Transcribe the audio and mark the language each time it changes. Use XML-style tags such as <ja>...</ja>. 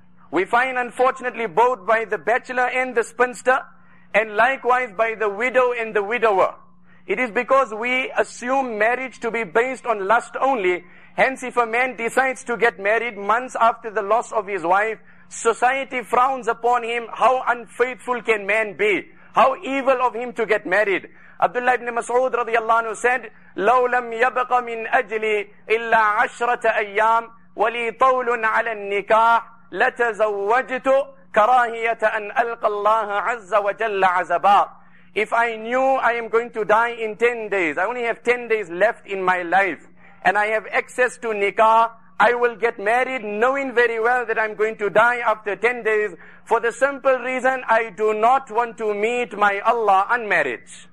<en>We find, unfortunately, both by the bachelor and the spinster, and likewise by the widow and the widower. It is because we assume marriage to be based on lust only. Hence, if a man decides to get married months after the loss of his wife, society frowns upon him. How unfaithful can man be? How evil of him to get married? Abdullah ibn Mas'ud radiallahu anhu said,</en> <ar>لَوْ لَمْ يَبْقَ مِنْ أَجْلِي إِلَّا عَشْرَةَ أَيَّامٍ وَلِي طَوْلٌ عَلَى النِّكَاحِ لَتَزَوَّجْتُ كَرَاهِيَةَ أَنْ أَلْقَ اللَّهَ عَزَّ وَجَلَّ عَزَبًا.</ar> <en>If I knew I am going to die in 10 days, I only have 10 days left in my life, and I have access to nikah, I will get married knowing very well that I'm going to die after 10 days for the simple reason I do not want to meet my Allah unmarried.</en>